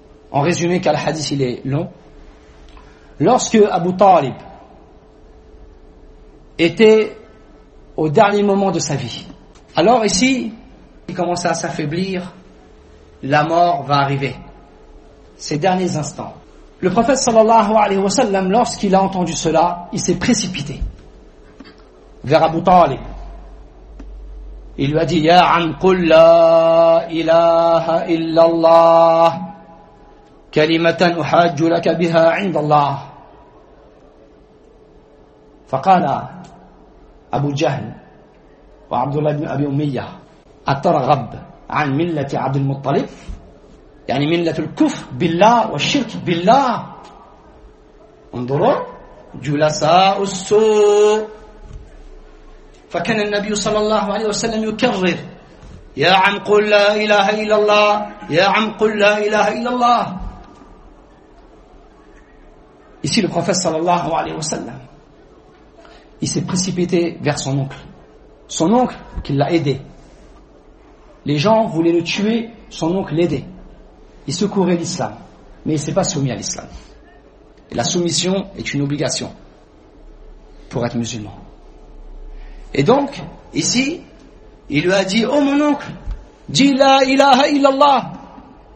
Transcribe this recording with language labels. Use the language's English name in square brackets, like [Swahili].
[French] En résumé, car le hadith il est long. Lorsque Abu Talib était au dernier moment de sa vie, alors ici, il commençait à s'affaiblir, la mort va arriver. Ces derniers instants. Le prophète sallallahu alayhi wa sallam, lorsqu'il a entendu cela, il s'est précipité vers Abu Talib. Il lui a dit, [Arabic] « Ya an qul la ilaha illallah, kalimatan uhajju laka biha indallah. » فقال أبو جهل وعبد الله بن أبي أمية أترغب عن ملة عبد المطلب يعني ملة الكفر بالله والشرك بالله انظروا جلساء السوء فكان النبي صلى الله عليه وسلم يكرر يا عم قل لا إله إلا الله يا عم قل لا إله إلا الله [French] ici le prophète [Arabic] صلى الله عليه وسلم [French] il s'est précipité vers son oncle. Son oncle qui l'a aidé. Les gens voulaient le tuer, son oncle l'aidait. Il secourait l'islam. Mais il ne s'est pas soumis à l'islam. Et la soumission est une obligation pour être musulman. Et donc, ici, il lui a dit, « Oh mon oncle, dis la ilaha illallah !»